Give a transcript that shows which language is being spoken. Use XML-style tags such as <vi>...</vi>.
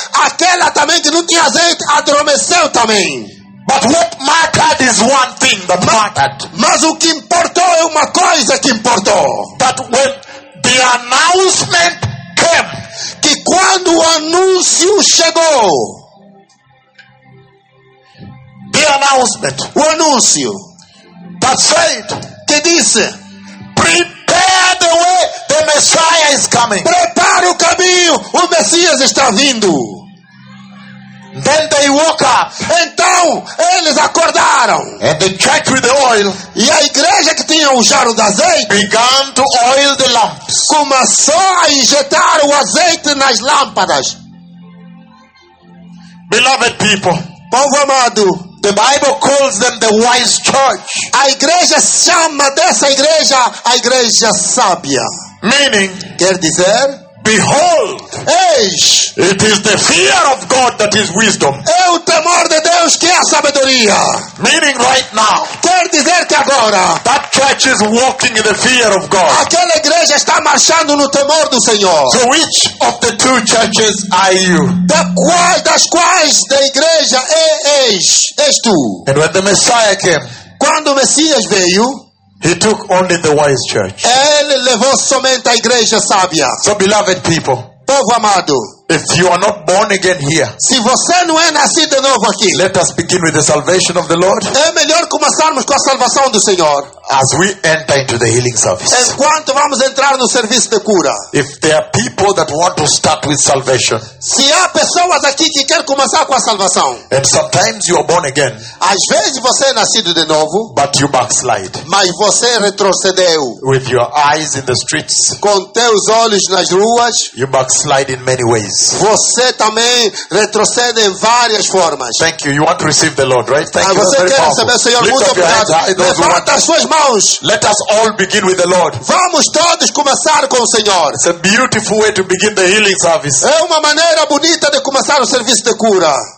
<pt>Aquela também que não tinha azeite adormeceu também.</pt> <en>But what mattered is one thing that mattered.</en> <pt>Mas o que importou é uma coisa que importou.</pt> <en>That when the announcement came,</en> <pt>que quando o anúncio chegou,</pt> <en>the announcement,</en> <pt>o anúncio,</pt> <en>that said,</en> <pt>que disse,</pt> <en>prepare the way, the Messiah is coming.</en> <pt>Prepare o caminho, o Messias está vindo.</pt> <en>Then they woke up.</en> <pt>Então eles acordaram.</pt> <en>And the church with the oil,</en> <pt>e a igreja que tinha o jarro de azeite,</pt> <en>began to oil the lamps.</en> <pt>Começou a injetar o azeite nas lâmpadas.</pt> <en>Beloved people,</en> <pt>povo amado,</pt> <en>the Bible calls them the wise church.</en> <pt>A igreja chama dessa igreja a igreja sábia.</pt> <en>Meaning,</en> <pt>quer dizer,</pt> <en>behold,</en> <pt>eis,</pt> <en>it is the fear of God that is wisdom.</en> <pt>É o temor de Deus que é a sabedoria.</pt> <en>Meaning right now,</en> <pt>quer dizer que agora,</pt> <en>that church is walking in the fear of God.</en> <pt>Aquela igreja está marchando no temor do Senhor.</pt> <en>So which of the two churches are you?</en> <pt>Das quais da igreja é és tu?</pt> <en>And when the Messiah came,</en> <pt>quando o Messias veio,</pt> <en>he took only the wise church.</en> <pt>Ele levou somente a igreja sábia.</pt> <en>So beloved people,</en> <pt>povo amado,</pt> <en>if you are not born again here,</en> <pt>se você não é nascido de novo aqui,</pt> <en>let us begin with the salvation of the Lord.</en> <pt>É melhor começarmos com a salvação do Senhor.</pt> <en>As we enter into the healing service.</en> <pt>Enquanto vamos entrar no serviço de cura.</pt> <en>If there are people that want to start with salvation,</en> <pt>se há pessoas aqui que querem começar com a salvação.</pt> <en>And sometimes you are born again.</en> <pt>Às vezes você é nascido de novo.</pt> <en>But you backslide.</en> <pt>Mas você retrocedeu.</pt> <en>With your eyes in the streets.</en> <pt>Com teus olhos nas ruas.</pt> <en>You backslide in many ways.</en> <pt>Você também retrocede em várias formas.</pt> <en>Thank you. You want to receive the Lord, right? Thank</en> <pt>você</pt> <en>you.</en> <pt>Quer receber o Senhor? Muito obrigado. Levanta as suas mãos.</pt> <en>Let us all begin with the Lord.</en> <pt>Vamos todos começar com o Senhor.</pt> <en>It's a beautiful way to begin the healing service.</en> <pt>É uma maneira bonita de começar o serviço de cura.</pt>